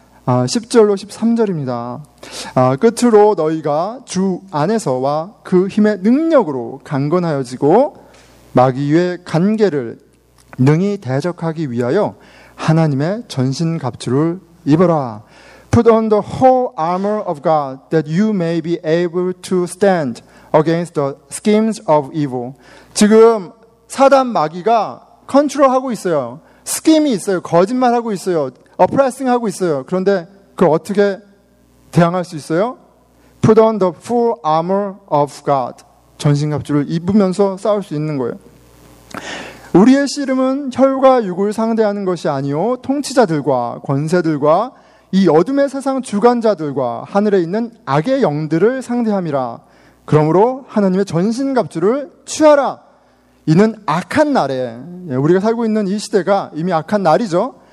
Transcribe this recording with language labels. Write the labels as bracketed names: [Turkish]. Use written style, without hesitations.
[Korean] 10절로 13절입니다. 끝으로 너희가 주 안에서와 그 힘의 능력으로 강건하여지고 마귀의 간계를 능히 대적하기 위하여 하나님의 전신갑주를 입어라. [English] Put on the whole armor of God that you may be able to stand against the schemes of evil. [Korean] 지금 사단 마귀가 컨트롤하고 있어요. 스킴이 있어요. 거짓말하고 있어요. 어프라이싱하고 있어요. 그런데 그걸 어떻게 대항할 수 있어요? [English] Put on the full armor of God. [Korean] 전신갑주를 입으면서 싸울 수 있는 거예요. 우리의 씨름은 혈과 육을 상대하는 것이 아니오 통치자들과 권세들과 이 어둠의 세상 주관자들과 하늘에 있는 악의 영들을 상대함이라. 그러므로 하나님의 전신갑주를 취하라. 이는 악한 날에, 우리가 살고 있는 이 시대가 이미 악한 날이죠.